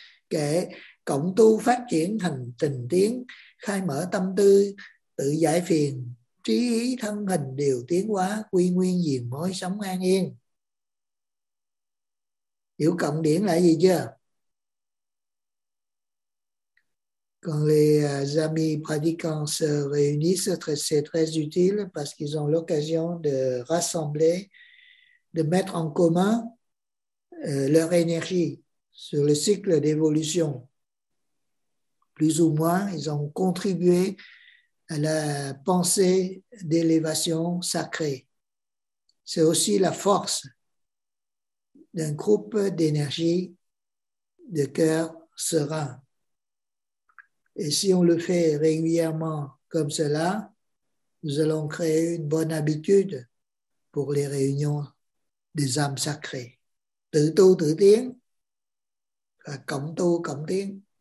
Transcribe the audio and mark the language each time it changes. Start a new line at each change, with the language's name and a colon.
Vietnamese: Kể cộng tu phát triển thành tình tiến, khai mở tâm tư, tự giải phiền, trí ý thân hình đều tiến hóa, quy nguyên diền mối sống an yên. Hiểu cộng điển là gì chưa?
French: quand les amis pratiquants se réunissent, c'est très utile parce qu'ils ont l'occasion de rassembler, de mettre en commun leur énergie sur le cycle d'évolution. Plus ou moins, ils ont contribué à la pensée d'élévation sacrée. C'est aussi la force d'un groupe d'énergie de cœur serein. Et si on le fait régulièrement comme cela, nous allons créer une bonne habitude pour les réunions des âmes sacrées.
Vietnamese: Tự tu tự tiến, cộng tu cộng tiến.